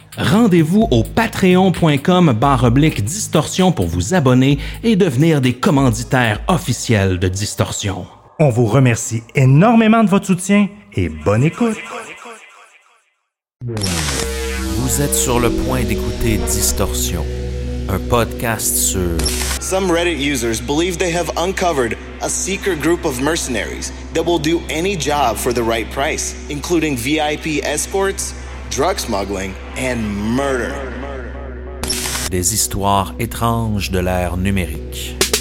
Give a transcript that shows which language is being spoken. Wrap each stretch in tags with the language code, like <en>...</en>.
<fr>Rendez-vous au patreon.com/distorsion pour vous abonner et devenir des commanditaires officiels de Distorsion. On vous remercie énormément de votre soutien et bonne écoute. Vous êtes sur le point d'écouter Distorsion, un podcast sur...</fr> <en>Some Reddit users believe they have uncovered a secret group of mercenaries that will do any job for the right price, including VIP escorts, drug smuggling, and murder.</en> <fr>Des histoires étranges de l'ère numérique.</fr>